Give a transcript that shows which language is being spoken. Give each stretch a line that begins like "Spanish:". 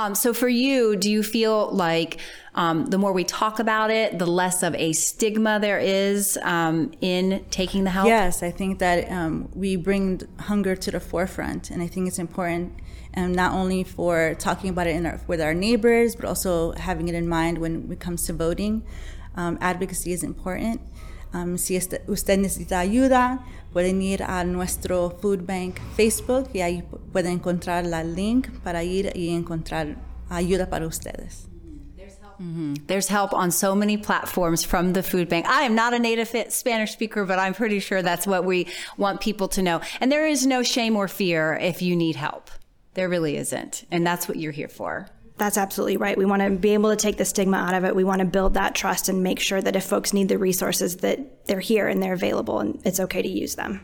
English: So for you, do you feel like the more we talk about it, the less of a stigma there is in taking the help? Yes, I think that we bring hunger to the forefront. And I think it's important not only for talking about it with our neighbors, but also having it in mind when it comes to voting. Advocacy is important.
Spanish: Si usted necesita ayuda, pueden ir a nuestro food bank Facebook y ahí pueden encontrar la link para ir y encontrar ayuda para ustedes. Mm-hmm.
English: There's help on so many platforms from the food bank. I am not a native Spanish speaker, but I'm pretty sure that's what we want people to know. And there is no shame or fear if you need help. There really isn't. And that's what you're here for. That's absolutely right. We want to be able to take the stigma out of it. We want to build that trust and make sure that if folks need the resources, that they're here and they're available and it's okay to use them.